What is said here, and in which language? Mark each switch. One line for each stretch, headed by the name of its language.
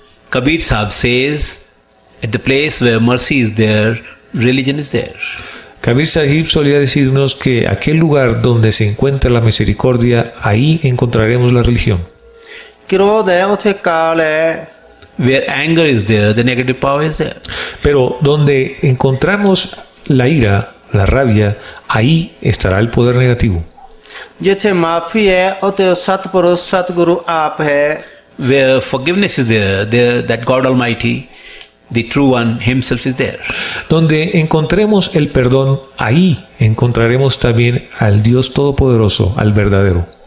English: Kabir sahab says, at the place where mercy is there, religion is there.
Spanish: Kabir sahib solía decirnos que aquel lugar donde se encuentra la misericordia, ahí encontraremos la religión.
Punjabi: Krodh hai, uthe kaal hai.
English: Where anger is there, the negative power is there.
Spanish: Pero donde encontramos la ira, la rabia, ahí estará el poder negativo.
Punjabi: Jithe maafi hai, othe Satpurush Satguru aap hai.
English: Where forgiveness is there, that God Almighty, the true one himself is there.
Spanish: Donde encontremos el perdón, ahí encontraremos también al Dios Todopoderoso, al verdadero.